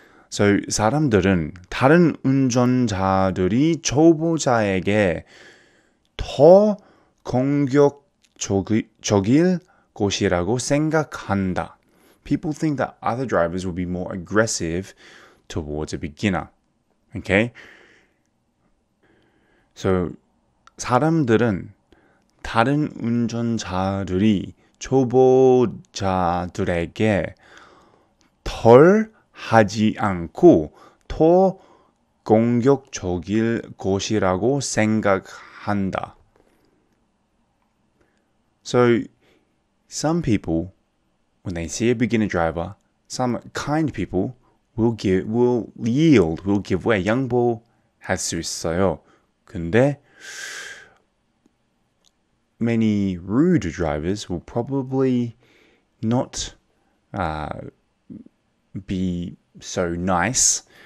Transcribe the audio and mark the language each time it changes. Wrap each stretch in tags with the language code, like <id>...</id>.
<ko>So 사람들은 다른 운전자들이 초보자에게 더 공격적일 것이라고 생각한다.</ko> <en>People think that other drivers will be more aggressive towards a beginner. Okay?</en> <ko>So 사람들은 다른 운전자들이 초보자들에게 덜 하지 않고 더 공격적일 것이라고 생각한다.</ko> <en>So some people, when they see a beginner driver, some kind people will give way.</en> <ko>양보할 수 있어요. 근데</ko> <en>many rude drivers will probably not be so nice.</en>